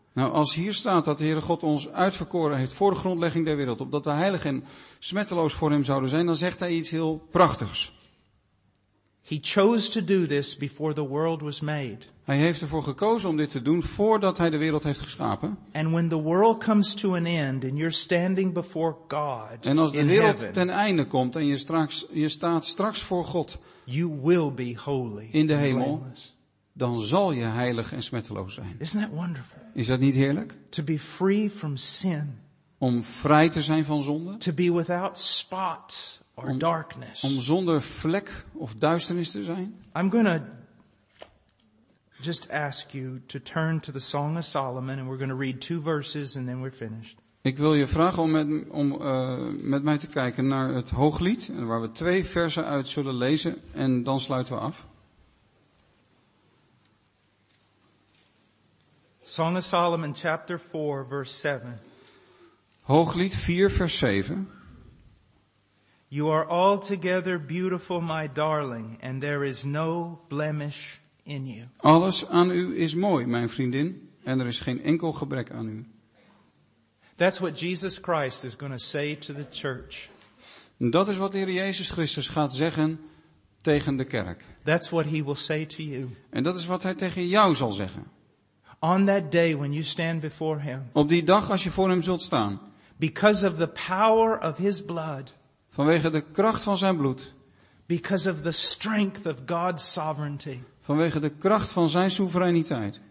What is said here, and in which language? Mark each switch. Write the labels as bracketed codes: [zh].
[nl] Nou, als hier staat dat de Heere God ons uitverkoren heeft voor de grondlegging der wereld, opdat we heilig en smetteloos voor hem zouden zijn, dan zegt hij iets heel prachtigs. [en] He chose to do this before the world was made. [nl] Hij heeft ervoor gekozen om dit te doen voordat hij de wereld heeft geschapen. [en] And when the world comes to an end and you're standing before God in [nl] heaven. En als de wereld ten einde komt en je staat straks voor God. [en] You will be holy. [nl] In de hemel. Dan zal je heilig en smetteloos zijn. [en] Isn't that wonderful? [nl] Is dat niet heerlijk? [en] To be free from sin. [nl] om vrij te zijn van zonde. [en] To be without spot or darkness. [nl] Om zonder vlek of duisternis te zijn. [en] I'm going to just ask you to turn to the Song of Solomon and we're going to read two verses and then we're finished. [nl] Ik wil je vragen om met mij te kijken naar het Hooglied, waar we twee versen uit zullen lezen en dan sluiten we af. [en] Song of Solomon, chapter 4, verse 7. [nl] Hooglied 4, vers 7. [en] You are altogether beautiful, my darling, and there is no blemish in you. [nl] Alles aan u is mooi, mijn vriendin, en er is geen enkel gebrek aan u. [en] That's what Jesus Christ is going to say to the church. [nl] Dat is wat de Heer Jezus Christus gaat zeggen tegen de kerk. [en] That's what he will say to you. [nl] En dat is wat hij tegen jou zal zeggen. [en] On that day when you stand before him. [nl] Op die dag als je voor hem zult staan. [en] Because of the power of his blood. [nl] Vanwege de kracht van zijn bloed. [en] Because of the strength of God's sovereignty. [nl] Vanwege de kracht van zijn soevereiniteit.